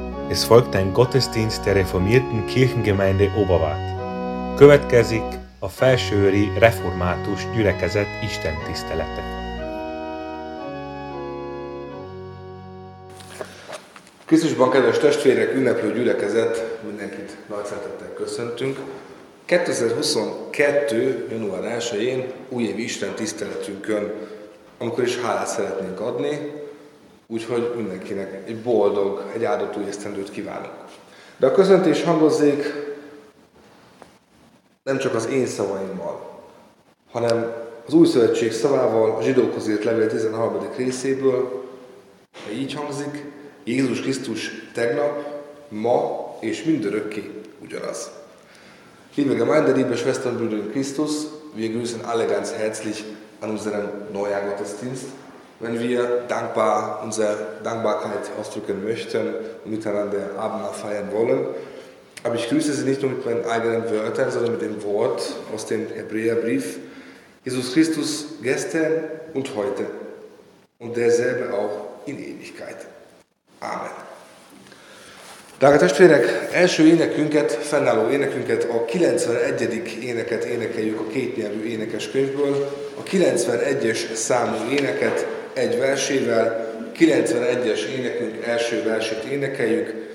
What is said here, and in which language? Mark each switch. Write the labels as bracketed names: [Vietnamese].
[German] Es folgt ein Gottesdienst der reformierten Kirchengemeinde Obavát. [Hungarian] Következik a Felsőőri Református Gyülekezet istentisztelete. Krisztusban, kedves testvérek, ünneplő gyülekezet, mindenkit nagy szeretettel köszöntünk. 2022. január 1-én újévi istentiszteletünkön, amikor is hálát szeretnénk adni, úgyhogy mindenkinek egy boldog, egy áldott új esztendőt kívánok. De a köszöntés hangozzék nem csak az én szavaimmal, hanem az új szövetség szavával, a zsidókhoz írt levél 13. részéből, ha így hangzik, Jézus Krisztus tegnap, ma és mindörökké ugyanaz. [German] Liebe Gemeinde, liebe Schwestern, Brüder in Christus, wir grüßen alle ganz herzlich an unserem neuen Gottesdienst. Wenn wir dankbar unsere Dankbarkeit ausdrücken möchten und miteinander Abendmahl feiern wollen. Aber ich grüße Sie nicht nur mit meinen eigenen Wörtern, sondern mit dem Wort aus dem Hebräerbrief. Jesus Christus gestern und heute und derselbe auch in Ewigkeit. Amen. [Hungarian] Drága testvérek, első énekünket, fennálló énekünket, a 91. éneket énekeljük a kétnyelvű énekeskönyvből, a 91-es számú éneket egy versével, 91-es énekünk első versét énekeljük.